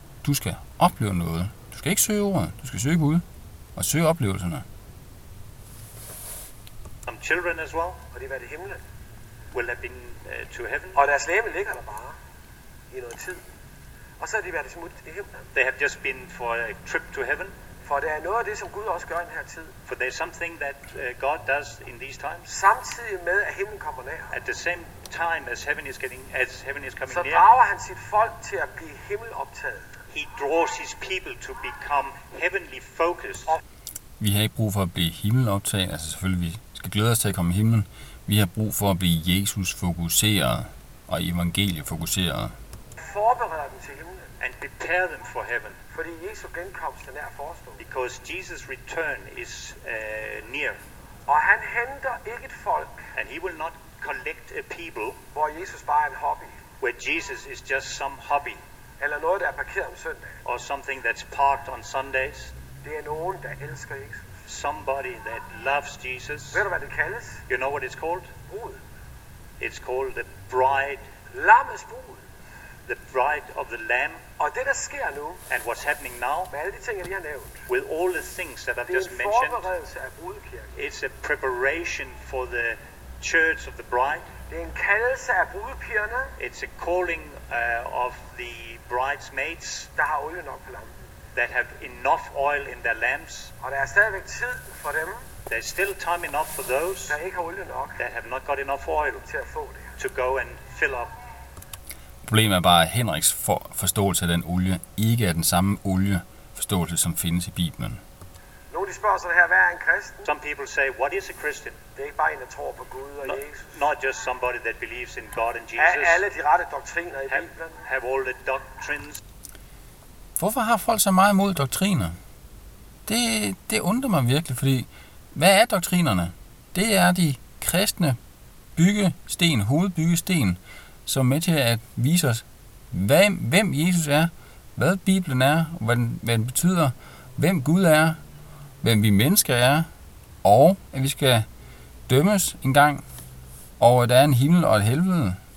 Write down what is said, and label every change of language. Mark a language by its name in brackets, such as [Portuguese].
[Danish] Du skal opleve noget. Du skal ikke søge ordet. Du skal søge Gud og søge oplevelserne. [English] Som children as well, [Danish] og det er det himlen, [English] will have been to heaven. [Danish] Og deres læme ligger der bare i noget tid. Og så er de været smut i himlen. [English] They have just been for a trip to heaven. [Danish] For det er noget af det, som Gud også gør i den her tid. [English] For there's something that God does in these times. [Danish] Samtidig med at himlen kommer nær. [English] At the same time as heaven is getting, as heaven is coming [Danish] så [English] near. [Danish] Så drager han sit folk til at blive himmeloptaget. [English] He draws his people to become heavenly focused. [Danish] Vi har ikke brug for at blive himmeloptaget. Altså selvfølgelig, vi skal glæde os til at komme i himlen. Vi har brug for at blive Jesus fokuseret og evangeliet fokuseret. Forbereder dem til himlen. [English] And prepare them for heaven. [Danish] Fordi Jesu genkomst er nær forestået. [English] Because Jesus' return is near. [Danish] Og han henter ikke et folk. [English] And he will not collect a people. [Danish] Hvor Jesus bare er en hobby. [English] Where Jesus is just some hobby. [Danish] Eller noget, der er parkeret om søndag. [English] Or something that's parked on Sundays. [Danish] Det er nogen, der elsker Jesus. [English] Somebody that loves Jesus. [Danish] Ved du, hvad det kaldes? [English] You know what it's called? [Danish] Brud. [English] It's called the bride. [Danish] Lammets brud. [English] The bride of the lamb. [Danish] Og det, der sker nu, [English] and what's happening now, [Danish] med alle de ting, jeg lige har nævnt, [English] with all the things that I've just mentioned, [Danish] det er en forberedelse af brudekirken. [English] It's a preparation for the church of the bride. [Danish] Det er en kaldelse af brudepigerne. [English] It's a calling of the bridesmaids. [Danish] Der har olie nok på lampen. [English] That have enough oil in their lamps. [Danish] Og der er stadigvæk tid for dem. [English] There's still time enough for those [Danish] der ikke har olie nok, [English] that have not got enough oil [Danish] til at få det, [English] to go and fill up. [Danish] Problemet er bare, at Henriks forståelse af den olie ikke er den samme olieforståelse, som findes i Bibelen. Nogle spørger sådan her, hvad er en kristen? [English] Some people say, what is a Christian? [Danish] Det er ikke bare en, der tror på Gud og Jesus. [English] Not just somebody that believes in God and Jesus. [Danish] Er alle de rette doktriner i Bibelen? [English] Have all the doctrines. [Danish] Hvorfor har folk så meget imod doktriner? Det undrer mig virkelig, fordi hvad er doktrinerne? Det er de kristne byggesten, hovedbyggesten, som er med til at vise os, hvem Jesus er, hvad Bibelen er, hvad den betyder, hvem Gud er, hvem vi mennesker er, og at vi skal dømmes en gang, og at der er en himmel og et helvede.